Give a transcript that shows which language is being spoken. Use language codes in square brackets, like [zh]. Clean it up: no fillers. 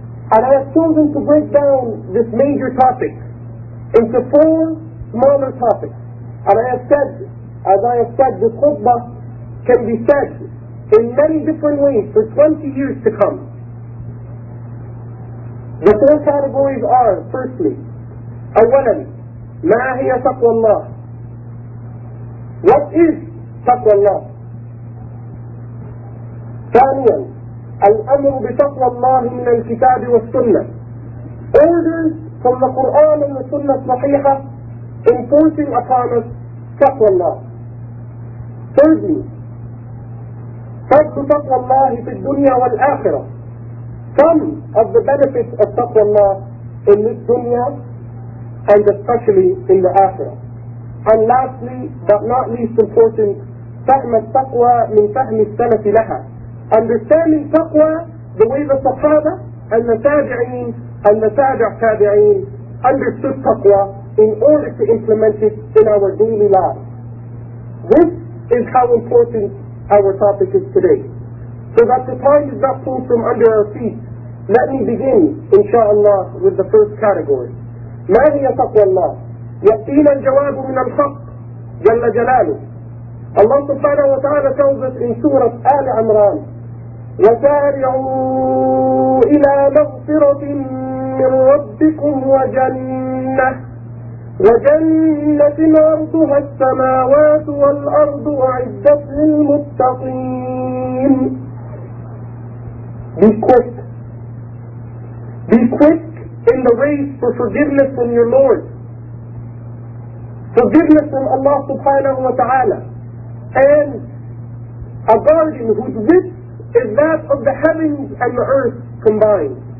[en] And I have chosen to break down this major topic into four smaller topics. And as I have said, this khutbah can be said in many different ways for 20 years to come. The four categories are, firstly, [ar] أولاً ما هي تقوى الله؟ [en] What is [ar] تقوى الله؟ ثانياً الأمر بتقوى الله من الكتاب والسنة. [en] Orders from the Quran and the Sunnah الصحيحة enforcing upon us تقوى الله. Thirdly, [ar] فضل تقوى الله في الدنيا والآخرة. [en] Some of the benefits of تقوى الله in this dunya and especially in the Akhirah. And lastly, but not least important, [ar] فهم التقوى من فهم السلف لها. [en] Understanding taqwa the way the Sahaba and the Tabi'een and the Tabi'een understood taqwa in order to implement it in our daily lives. This is how important our topic is today. So that the time is not pulled from under our feet, let me begin, insha'Allah, with the first category. [ar] ما هي تقوى الله؟ يأتينا الجواب من الحق جل جلاله. [en] Allah subhanahu wa ta'ala tells us in Surah Al Imran, [ar] وسارعوا إلى مغفرة من ربكم وجنة وجنة عرضها السماوات والأرض أعدت للمتقين. [en] Be quick in the race for forgiveness from your Lord, forgiveness from Allah subhanahu wa ta'ala, and a garden whose width is that of the heavens and the earth combined.